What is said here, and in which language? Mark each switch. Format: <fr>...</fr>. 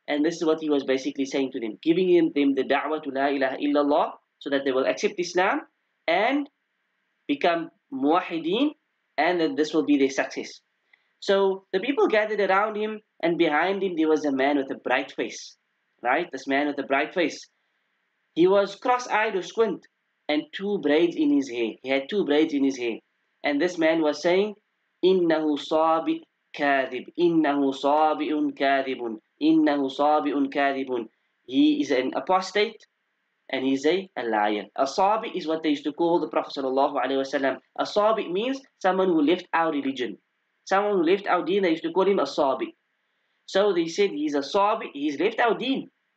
<en>And this is what he was basically saying to them, giving them the da'wah to la ilaha illallah, so that they will accept Islam and become muwahideen, and that this will be their success. So the people gathered around him, and behind him there was a man with a bright face, right? This man with a bright face. He was cross-eyed or squint, and two braids in his hair. He had two braids in his hair. And this man was saying,</en> <ar>إِنَّهُ صَابِئْ كَاذِبٌ إِنَّهُ صَابِئٌ كَاذِبٌ إِنَّهُ صَابِئٌ كَاذِبٌ.</ar> <en>He is an apostate, and he's a liar. A sabi' is what they used to call the Prophet sallallahu alaihi wasallam. A sabi' means someone who left our religion. Someone who left our deen, they used to call him a sabi. So they said he's a sabi, he's left our deen.</en>